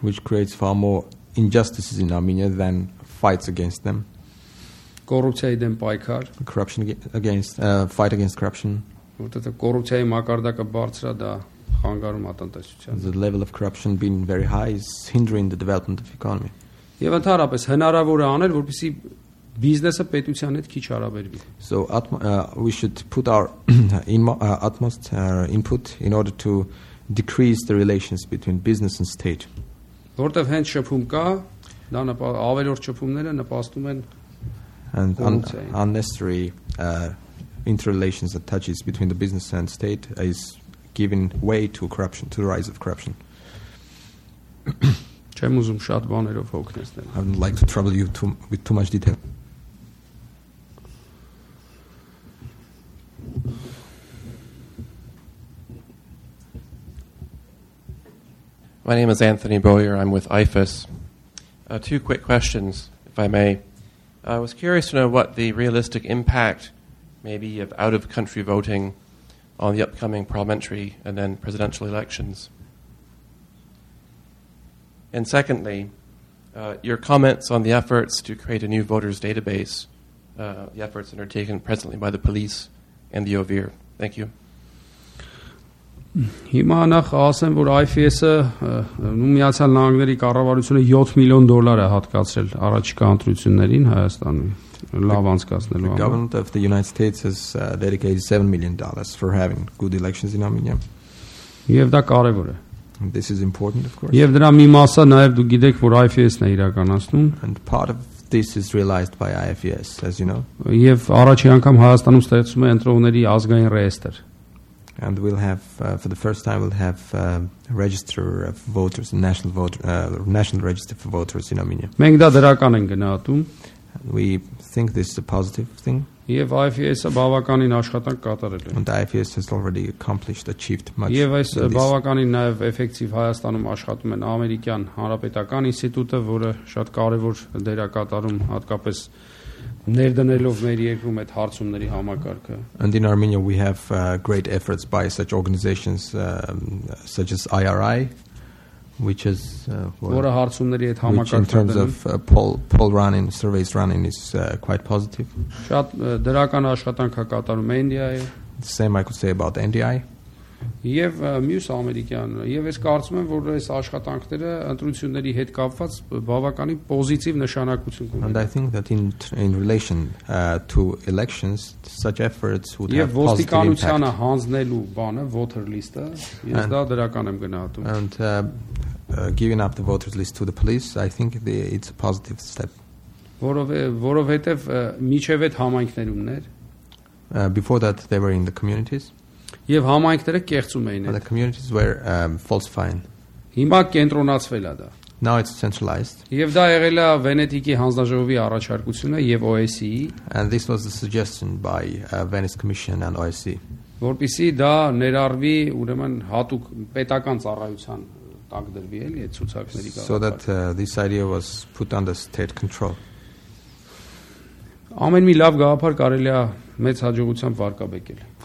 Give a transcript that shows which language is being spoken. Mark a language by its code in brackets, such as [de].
[en] Which creates far more injustices in Armenia than fights against them. [hy] Կոռուպցիայի դեմ պայքար. [en] Corruption against fight against corruption. [hy] Որտեղ կոռուպցիայի մակարդակը բարձր է, դա խանգարում է ատենտացիության. [en] The level of corruption being very high is hindering the development of the economy. [hy] Եվ ընդհանրապես հնարավոր է անել, որպեսզի բիզնեսը պետության հետ քիչ հարաբերվի. [en] So we should put our utmost input in order to decrease the relations between business and state. [hy] Որտեղ հենց շփում կա, դա ավելորդ շփումները նպաստում են [en] and unnecessary interrelations that touches between the business and state is giving way to corruption, to the rise of corruption. [hy] Չեմ ուզում շատ բաներով հոգնեցնել. [en] I don't like to trouble you with too much detail. My name is Anthony Boyer. I'm with IFAS. Two quick questions, if I may. I was curious to know what the realistic impact maybe of out-of-country voting on the upcoming parliamentary and then presidential elections. And secondly, your comments on the efforts to create a new voters database, the efforts undertaken presently by the police and the OVIR. Thank you. [hy] Հիմա նախ ասեմ, որ IFS-ը ու Միացյալ Նահանգների կառավարությունը 7 միլիոն դոլար է հատկացրել առաջիկա ընտրություններին Հայաստանում լավ անցկացնելու համար։ [en] The government of the United States has dedicated $7 million for having good elections in Armenia. [hy] Եվ դա կարևոր է։ [en] This is important, of course. [hy] Եվ դրա մի մասը նաև դու գիտեք, որ IFS-ն է իրականացնում։ [en] And part of this is realized by IFS, as you know. [hy] Եվ առաջի անգամ Հայաստանում ստեղծվում է ընտրողների ազգային ռեեստր։ [en] And we'll have, for the first time, we'll have a register of voters, national register for voters in Armenia. [hy] Մենք դա դրական ենք գնահատում. [en] We think this is a positive thing. [hy] Եվ IFS-ը բավականին աշխատանք կատարել է. [en] And IFS has already accomplished, achieved much. [hy] Եվ այս բավականին նաև էֆեկտիվ Հայաստանում աշխատում են Ամերիկյան Հանրապետական ինստիտուտը, որը շատ կարևոր դեր է կատարում հատկապես ներդնելով մեր երկրում այդ հարցումների համակարգը. [en] And in Armenia we have great efforts by such organizations such as IRI, which is [hy] որը հարցումների այդ համակարգը, [en] in terms of poll running, surveys running is quite positive. [hy] Շատ դրական աշխատանք է կատարում NDI-ը. [en] Same I could say about NDI. [hy] Եվ մյուս ամերիկյան, եւ ես կարծում եմ, որ այս աշխատանքները ընտրությունների հետ կապված բավականին պոզիտիվ նշանակություն կունենան. [en] And I think that in relation to elections such efforts would have positive impact. [hy] Եվ ոստիկանությանը հանձնելու բանը voter list-ը, ես դա դրական եմ գնահատում. [en] And giving up the voters list to the police, I think it's a positive step. [hy] Որովհետեւ միջև այդ համայնքներումներ [en] before that they were in the communities. [hy] Եվ համայնքները կեղծում էին այդ [en] communities were falsifying. [hy] Հիմա կենտրոնացվել է դա. [en] Now it's centralized. [hy] Եվ դա եղել է Վենետիկի հանձնաժողովի առաջարկությունը եւ OSCE-ի. [en] And this was a suggestion by Venice Commission and OSCE. [hy] Որպեսզի դա ներառվի, ուրեմն հատուկ պետական ծառայության տակ դրվի էլի այդ ցուցակների կարգը. [en] So that this idea was put under state control. [hy] Ամեն մի լավ գաղափար կարելի է մեծ հաջողությամբ վարկաբեկել։